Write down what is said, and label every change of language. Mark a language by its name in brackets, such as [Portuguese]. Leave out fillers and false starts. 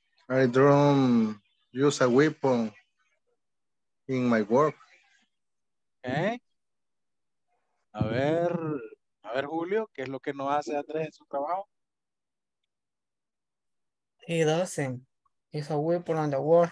[English] I don't use a weapon in my work. Okay. [Spanish] A ver, Julio, ¿qué es lo que no hace Andrés en su trabajo? [English] He doesn't use a weapon on the work.